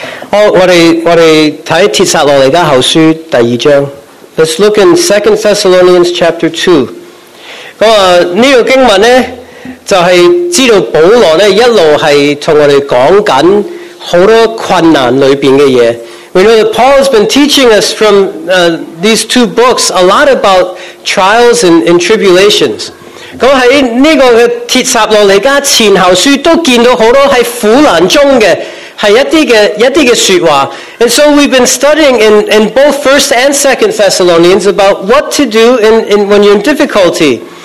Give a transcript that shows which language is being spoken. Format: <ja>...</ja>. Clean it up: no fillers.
<yue>我哋睇帖撒羅尼迦後書第二章。</yue> <en>Let's look in 2 Thessalonians chapter 2.</en> <yue>呢個經文呢，就係知道保羅呢一路係同我哋講緊好多困難裏邊嘅嘢。</yue> <en>We know that Paul has been teaching us from these two books a lot about trials and tribulations.</en> <yue>咁喺呢個帖撒羅尼迦前後書都見到好多係苦難中嘅。</yue> <en>And so we've been studying in both 1st and 2nd Thessalonians about what to do in when you're in difficulty.</en>